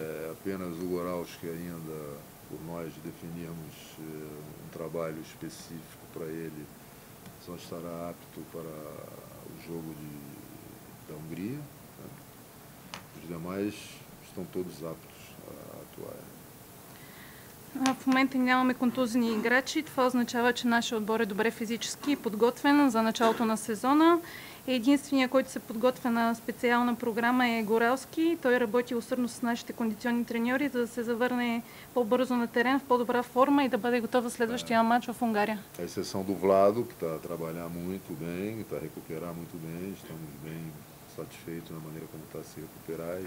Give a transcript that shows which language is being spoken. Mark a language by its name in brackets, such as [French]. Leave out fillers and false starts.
[Portuguese] Apenas o Goraus que ainda por nós definirmos um trabalho específico para ele só estará apto para o jogo da Hungria. Os demais estão todos aptos a atuar. [Bulgarian] В момента нямаме контузни играчи. Това означава, че нашия отбор е добре физически подготвен за началото на сезона. Единственият, който се подготвя на специална програма, е Горалски. Той работи усърдно с нашите кондиционни треньори, за да се завърне по-бързо на терен, в по-добра форма и да бъде готов в следващия матч в Унгария. [Portuguese] A exceção do Vlado, que está a trabalhar muito bem, está a recuperar muito bem. Estamos bem satisfeitos na maneira como está a se recuperar.